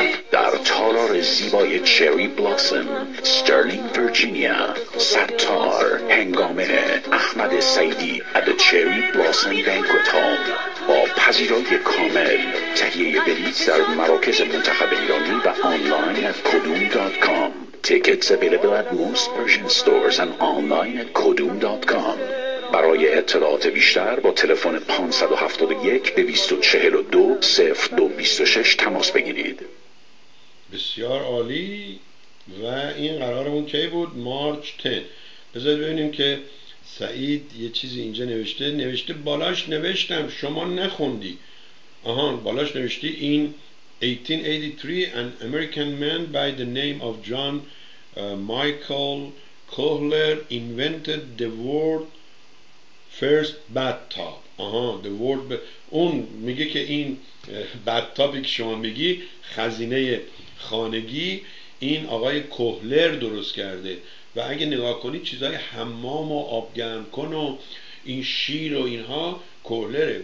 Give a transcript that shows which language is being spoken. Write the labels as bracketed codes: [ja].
[fa] در تالار زیبای چری بلاسم استرلینگ ورجینیا، ستار هنگام احمد سعیدی ات چری بلاسم بانکوئت هال با پذیرایی کامل. تهیه بلیط در مراکز منتخب ایرانی و آنلاین از kodum.com. [en] Tickets available at most Persian stores and online at kodum.com. [fa] برای اطلاعات بیشتر با تلفن 571-242-0226 تماس بگیرید. بسیار عالی. و این قرارمون کی بود؟ مارچ 10. بذارید ببینیم که سعید یه چیزی اینجا نوشته. نوشته بالاش نوشتم شما نخوندی. آهان بالاش نوشتی این [en] 1883 An American Man by the Name of John Michael Kohler invented the world first bathtub. [fa] آها [en] the world [fa] اون میگه که این bathtubی که شما میگی خزینه خانگی این آقای کوهلر درست کرده و اگه نگاه کنی چیزای حمام و آب گرم کن و این شیر و اینها کوهلره.